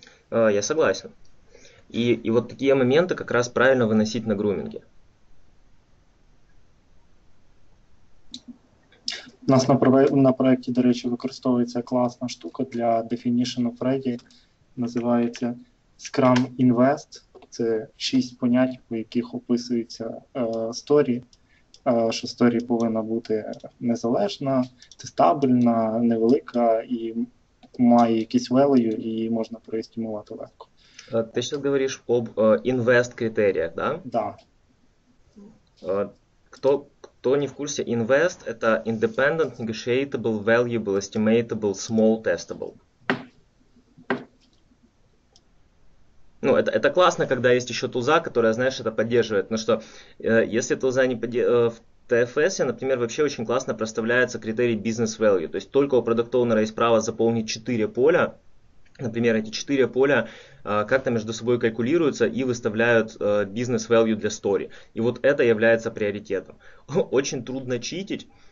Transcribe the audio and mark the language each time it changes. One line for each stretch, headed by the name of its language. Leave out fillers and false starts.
Russian: Я согласен. И вот такие моменты как раз правильно выносить на груминге.
Ukrainian: У нас на проєкті, до речі, використовується класна штука для Definition of Ready. Називається Scrum Invest. Це шість понять, у яких описується сторі. Що сторі повинна бути незалежна, тестабельна, невелика і має якийсь value, і її можна проестімувати легко.
Russian: Ты сейчас говоришь об invest критериях, да? Да. Кто не в курсе, invest – это independent, negotiable, valuable, estimatable, small, testable. Ну, это классно, когда есть еще туза, которая, знаешь, это поддерживает. Но что, если туза не в TFS, например, вообще очень классно проставляется критерий business value. То есть только у product owner есть право заполнить 4 поля. Например, эти 4 поля как-то между собой калькулируются и выставляют бизнес-value для story. И вот это является приоритетом. Очень трудно читить,